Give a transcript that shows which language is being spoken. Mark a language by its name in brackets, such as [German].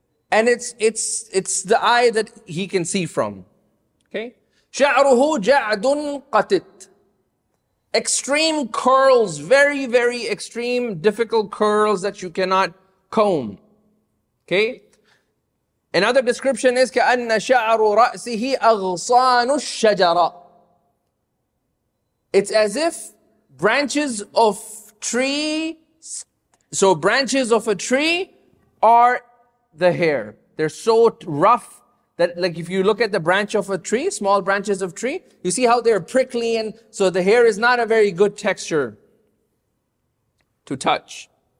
[English] And it's the eye that he can see from. Okay? [Arabic] شعره جعد قطت. [English] Extreme curls, very, very extreme, difficult curls that you cannot comb. Okay? Another description is [Arabic] كأن شعر رأسه أغصان الشجرة. [English] It's as if branches of tree, so branches of a tree are the hair. They're so rough that, like, if you look at the branch of a tree, small branches of tree, you see how they're prickly, and so the hair is not a very good texture to touch.